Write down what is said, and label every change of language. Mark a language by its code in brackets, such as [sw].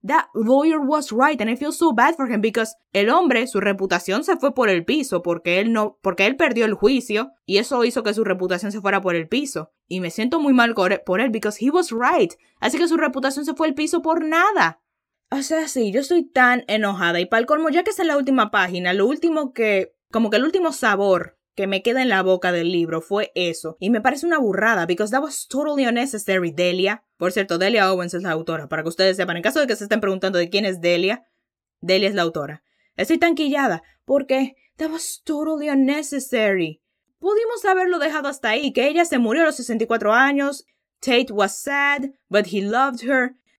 [en] That lawyer was right, and I feel so bad for him, because [es] el hombre, su reputación se fue por el piso, porque él perdió el juicio, y eso hizo que su reputación se fuera por el piso. Y me siento muy mal por él, [en] because he was right. [es] Así que su reputación se fue al piso por nada. O sea, sí, yo estoy tan enojada. Y para el colmo, ya que es en la última página, lo último que, como que el último sabor que me queda en la boca del libro fue eso. Y me parece una burrada, [en] because that was totally unnecessary, Delia. [es] Por cierto, Delia Owens es la autora, para que ustedes sepan. En caso de que se estén preguntando de quién es Delia, Delia es la autora. Estoy tan quillada, porque [en] that was totally unnecessary. [es] Pudimos haberlo dejado hasta ahí, que ella se murió a los 64 años, [en] Tate was sad, but he loved her.